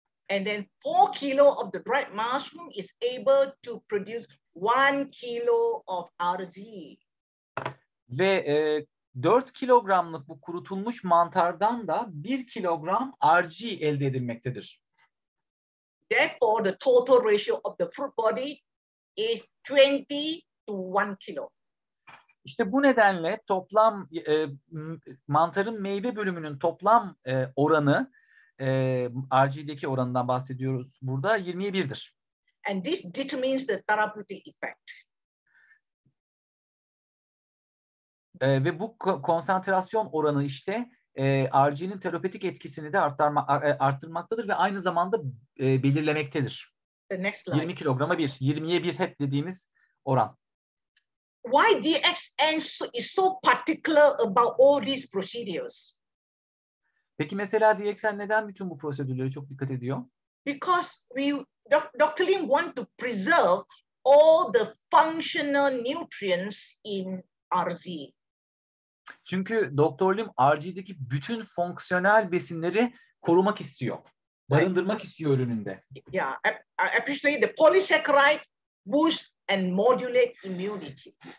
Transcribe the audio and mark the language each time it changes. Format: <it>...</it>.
<en>And then 4 kilo of the dried mushroom is able to produce 1 kilo of RZ.</en> <tr>Ve 4 kilogramlık bu kurutulmuş mantardan da 1 kilogram RG elde edilmektedir.</tr> <en>Therefore, the total ratio of the fruit body is 20 to 1 kilo.</en> <tr>İşte bu nedenle toplam mantarın meyve bölümünün toplam oranı, RG'deki oranından bahsediyoruz burada, 21'dir.</tr> <en>And this determines the therapeutic effect.</en> <tr>Ve bu konsantrasyon oranı işte RG'nin terapötik etkisini de arttırmaktadır ve aynı zamanda belirlemektedir.</tr> <en>The next slide.</en> <tr>20 kilograma 1, 20'ye 1 hep dediğimiz oran.</tr> <en>Why DXN is so particular about all these procedures?</en> <tr>Peki mesela DXN neden bütün bu prosedürlere çok dikkat ediyor?</tr> <en>Because we Dr. Lin want to preserve all the functional nutrients in RG.</en> <tr>Çünkü Dr. Lim RG'deki bütün fonksiyonel besinleri korumak istiyor. Barındırmak istiyor ürününde.</tr> <en>Yeah, especially the polysaccharide boost and modulate immunity.</en>